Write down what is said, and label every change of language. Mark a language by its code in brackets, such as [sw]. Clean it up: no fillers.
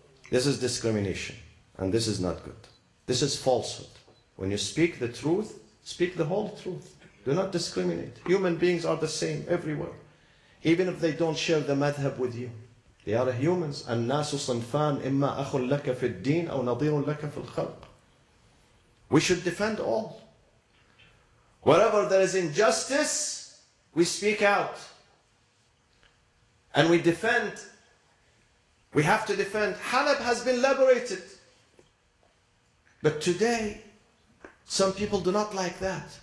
[en] This is discrimination, and this is not good. This is falsehood. When you speak the truth, speak the whole truth. Do not discriminate. Human beings are the same everywhere. Even if they don't share the madhab with you, they are humans. [ar] النَّاسُ صَنْفَانِ إِمَّا أَخٌ لَكَ فِي الدِّينِ أَوْ نَظِيرٌ لَكَ فِي الْخَلْقِ. [en] We should defend all. Wherever there is injustice, we speak out. And we defend. We have to defend. Halab has been liberated. But today, some people do not like that.